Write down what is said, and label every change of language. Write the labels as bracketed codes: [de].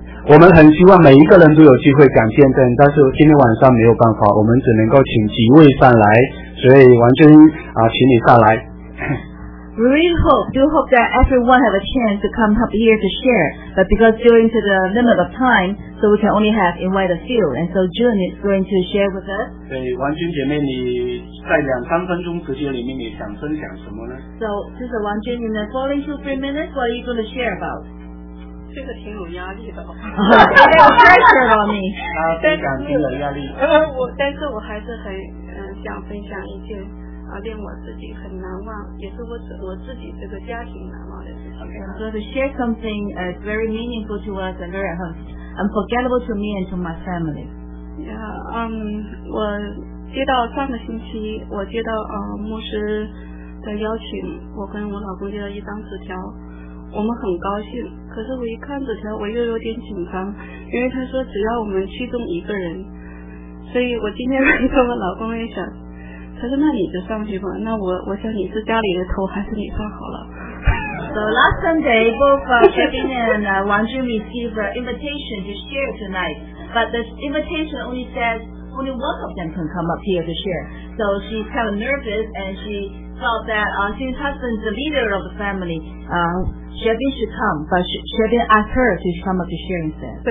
[zh] 我们很希望每一个人都有机会讲见证，但是今天晚上没有办法，我们只能够请几位上来，所以王军啊，请你上来。 [en] We really hope, do hope that everyone have a chance to come up here to share, but because due to the limit of time, so we can only have invite a few, and so Jun is going to share with us. [zh] 对，王军姐妹，你在两三分钟时间里面，你想分享什么呢？ [en] So, this is 王军, in the following two, 3 minutes, what are you going to share about? [zh] 这个挺有压力的，没有 pressure 了你。啊，分享挺有压力。但是我还是很想分享一件令我自己很难忘，也是我自己这个家庭难忘的事情。 [en] Okay, so to share something very meaningful to us and very unforgettable to me and to my family. [zh] Yeah, 我接到上个星期，我接到牧师的邀请，我跟我老公接到一张纸条。我们很高兴，可是我一看纸条我又有点紧张，因为他说只要我们其中一个人，所以我今天晚上我老公也想，他说那你就上去吧，那我想你是家里的头还是你上好了。 [en] So last Sunday both Kevin and Wang Jun received an invitation to share tonight, but the invitation only says only one of them can come up here to share, so she's kind of nervous and she thought that since husband's the leader of the family Xuebin should come, but Xuebin asked her to come up to share instead.